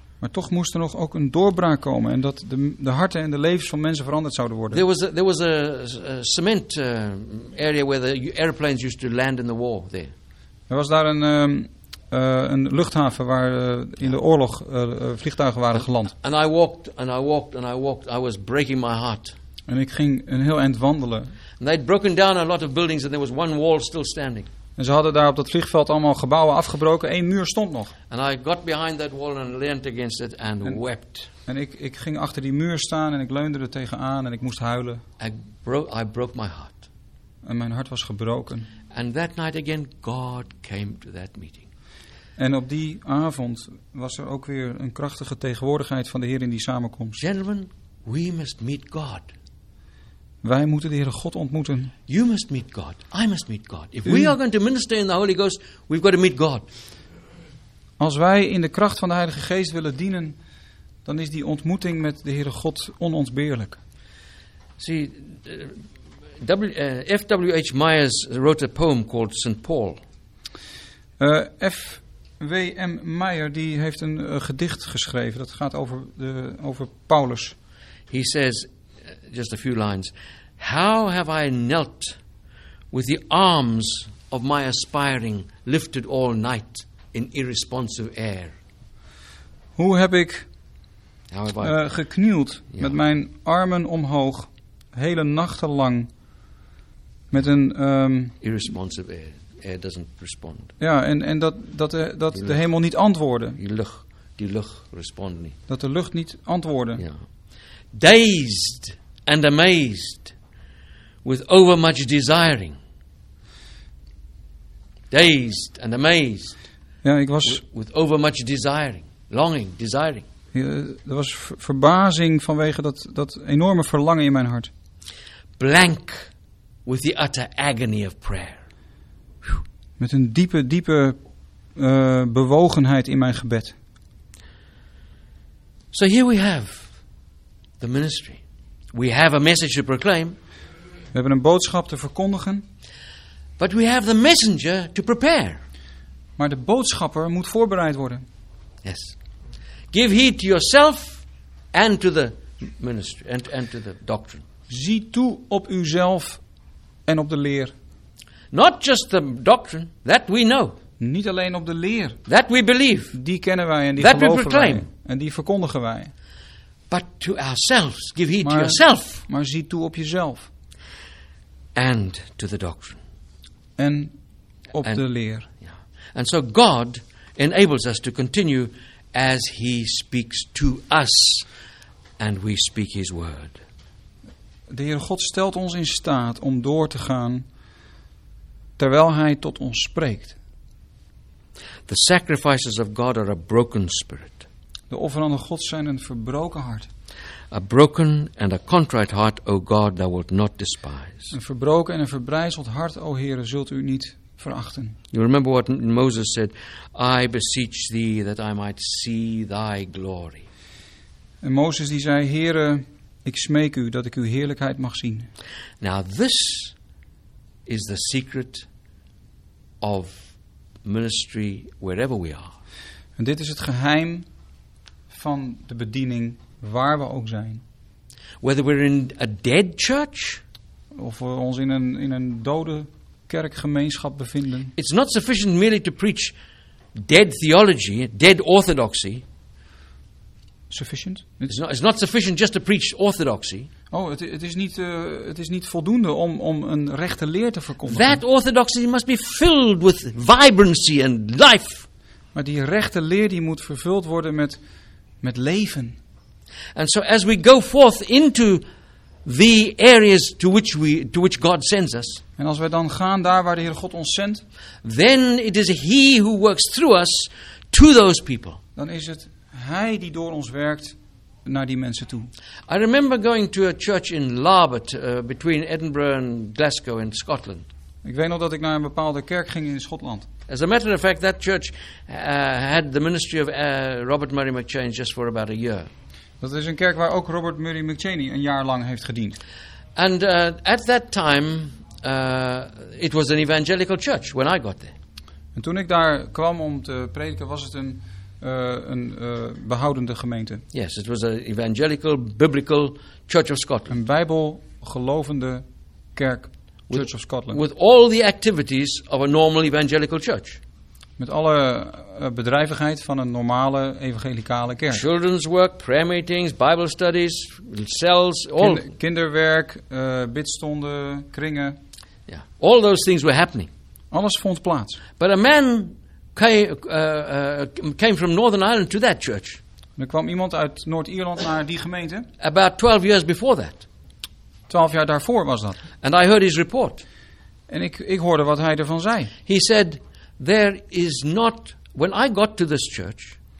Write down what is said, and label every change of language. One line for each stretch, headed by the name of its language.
Dutch: Maar toch moest er nog ook een doorbraak komen en dat de harten en de levens van mensen veranderd zouden worden.
English: There was a cement area where the airplanes used to land in the war there.
Dutch: Er was daar een luchthaven waar in de oorlog vliegtuigen waren geland.
English: And I walked and I walked and I walked. I was breaking my heart.
Dutch: En ik ging een heel eind wandelen.
English: And they'd broken down a lot of buildings and there was one wall still standing.
Dutch: En ze hadden daar op dat vliegveld allemaal gebouwen afgebroken. Eén muur stond nog.
English: And I got behind that wall and leaned against it and wept.
Dutch: En ik ging achter die muur staan en ik leunde er tegenaan en ik moest huilen.
English: I broke my heart.
Dutch: En mijn hart was gebroken.
English: And that night again God came to that meeting.
Dutch: En op die avond was er ook weer een krachtige tegenwoordigheid van de Heer in die samenkomst.
English: Gentlemen, we must meet God.
Dutch: Wij moeten de Heere God ontmoeten.
English: You must meet God. I must meet God. If we are going to minister in the Holy Ghost, we've got to meet God.
Dutch: Als wij in de kracht van de Heilige Geest willen dienen, dan is die ontmoeting met de Heere God onontbeerlijk.
English: See, F.W.H. Myers wrote a poem called St. Paul. F.W.M.
Dutch: Meyer die heeft een gedicht geschreven. Dat gaat over Paulus.
English: He says, just a few lines. How have I knelt with the arms of my aspiring lifted all night in irresponsive air?
Dutch: Hoe heb ik geknield met mijn armen omhoog, hele nachten lang, met een
English: irresponsive air. Air doesn't respond.
Dutch: Ja, en dat de hemel niet antwoordde. Die lucht respond niet. Dat de lucht niet antwoordde.
English: Ja. Dazed. And amazed with overmuch desiring. Dazed and amazed.
Dutch: Ja, ik was.
English: With overmuch desiring. Longing, desiring.
Dutch: Er was verbazing vanwege dat enorme verlangen in mijn hart.
English: Blank with the utter agony of prayer.
Dutch: Met een diepe bewogenheid in mijn gebed.
English: So here we have the ministry. We have a message to proclaim.
Dutch: We hebben een boodschap te verkondigen.
English: But we have the messenger to prepare.
Dutch: Maar de boodschapper moet voorbereid worden.
English: Yes. Give heed to yourself and to the ministry and to the doctrine.
Dutch: Zie toe op uzelf en op de leer.
English: Not just the doctrine that we know.
Dutch: Niet alleen op de leer.
English: That we believe.
Dutch: Die kennen wij en die geloven we proclaim. Wij en die verkondigen wij.
English: But to ourselves, give heed to yourself.
Dutch: Maar zie toe op jezelf.
English: And to the doctrine.
Dutch: En op de leer.
English: Yeah. And so God enables us to continue as He speaks to us, and we speak His word.
Dutch: De Heer God stelt ons in staat om door te gaan, terwijl Hij tot ons spreekt.
English: The sacrifices of God are a broken spirit.
Dutch: De offeren aan God zijn een verbroken hart.
English: A broken and a contrite heart, O God, thou wilt not despise.
Dutch: Een verbroken en een verbrijzeld hart, O Heere, zult u niet verachten.
English: You remember what Moses said, I beseech thee that I might see thy glory.
Dutch: En Mozes die zei, Heere, Ik smeek u dat ik uw heerlijkheid mag zien.
English: Now this is the secret of ministry wherever we are.
Dutch: En dit is het geheim van de bediening waar we ook zijn.
English: Whether we're in a dead church,
Dutch: of we ons in een dode kerkgemeenschap bevinden.
English: It's not sufficient merely to preach dead theology, dead orthodoxy. Sufficient? It's not sufficient just to preach orthodoxy.
Dutch: Oh, het is niet voldoende om een rechte leer te verkondigen.
English: That orthodoxy must be filled with vibrancy and life.
Dutch: Maar die rechte leer die moet vervuld worden met leven.
English: And so as we go forth into the areas to which God sends us.
Dutch: En als wij dan gaan daar waar de Heer God ons zendt,
English: then it is He who works through us to those people.
Dutch: Dan is het Hij die door ons werkt naar die mensen toe.
English: I remember going to a church in Larbert, between Edinburgh and Glasgow in Scotland.
Dutch: Ik weet nog dat ik naar een bepaalde kerk ging in Schotland.
English: As a matter of fact, that church had the ministry of Robert Murray McChane just for about a year.
Dutch: Dat is een kerk waar ook Robert Murray McChaney een jaar lang heeft gediend.
English: And at that time, it was an evangelical church when I got there.
Dutch: En toen ik daar kwam om te prediken, was het een behoudende gemeente.
English: Yes, it was an evangelical, biblical Church of Scotland.
Dutch: Een bijbelgelovende kerk, Church of Scotland.
English: With all the activities of a normal evangelical church.
Dutch: Met alle bedrijvigheid van een normale evangelicale kerk.
English: Children's work, prayer meetings, Bible studies, cells, all.
Dutch: Kinderwerk, bidstonden, kringen.
English: Yeah. All those things were happening.
Dutch: Alles vond plaats.
English: But a man came from Northern Ireland to that church.
Dutch: Er kwam iemand uit Noord-Ierland naar die gemeente.
English: About 12 years before that.
Dutch: 12 jaar daarvoor was dat.
English: And I heard his report.
Dutch: En ik hoorde wat hij ervan zei.
English: He said, there is not, when I got to this church,